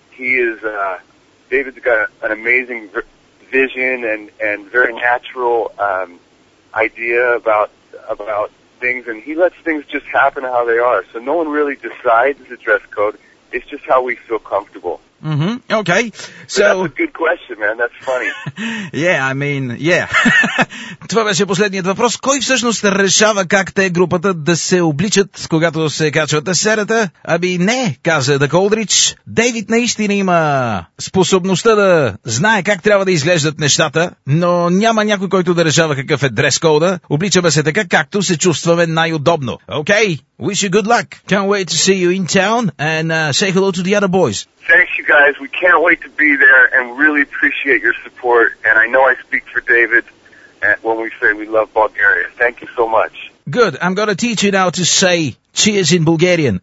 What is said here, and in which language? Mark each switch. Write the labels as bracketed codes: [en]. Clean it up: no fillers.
[en] He is David's got an amazing vision and very natural idea about things, and he lets things just happen how they are. So no one really decides the dress code. It's just how we feel comfortable. Mm-hmm. Okay. So that's a good question, man. That's funny. Yeah. [bg] Това беше последният въпрос. Кой всъщност решава как те, групата, да се обличат, когато се качват на сцената? Аби не, каза Дък Олдрич. Дейвид наистина има способността да знае как трябва да изглеждат нещата, но няма някой, който да решава какъв е дрес-кода. Обличаме се така, както се чувстваме най-удобно. [en] Okay. Wish you good luck. Can't wait to see you in town and say hello to the other boys. Thanks, you guys. We can't wait to be there and really appreciate your support. And I know I speak for David when we say we love Bulgaria. Thank you so much. Good. I'm going to teach you now to say cheers in Bulgarian.